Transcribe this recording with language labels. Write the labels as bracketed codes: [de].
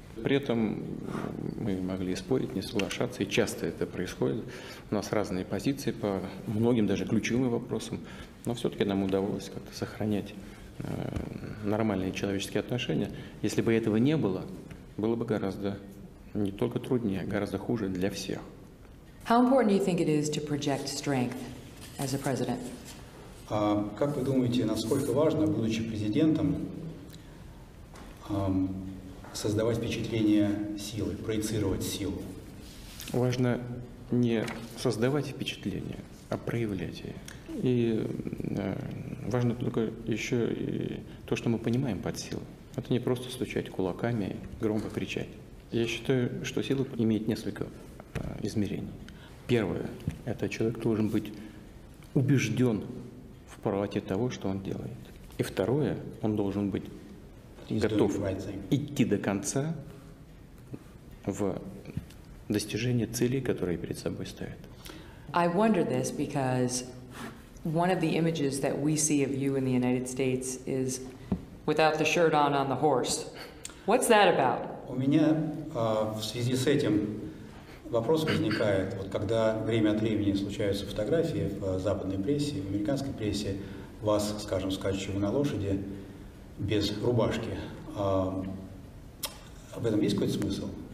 [ru] При этом мы могли спорить, не соглашаться, и часто это происходит. У нас разные позиции по многим, даже ключевым вопросам, но все-таки нам удалось как-то сохранять нормальные человеческие отношения. Если бы этого не было, было бы гораздо не только труднее, а гораздо хуже для всех. [en] How important do you think it is to project strength as a president? [ru] Как вы думаете, насколько важно, будучи президентом, создавать впечатление силы, проецировать силу? Важно не создавать впечатление, а проявлять ее. И важно только еще и то, что мы понимаем под силой. Это не просто стучать кулаками, громко кричать. Я считаю, что сила имеет несколько измерений. Первое – это человек должен быть убежден в правоте того, что он делает. И второе – он должен быть готов идти до конца в достижении целей, которые перед собой ставят. [en] I wonder this because one of the images that we see of you in the United States is without the shirt on the horse. What's that about? [ru] У меня в связи с этим вопрос возникает. Вот когда время от времени случаются фотографии в западной прессе, в американской прессе, вас, скажем, скачущего на лошади, без рубашки. В этом есть какой-то смысл?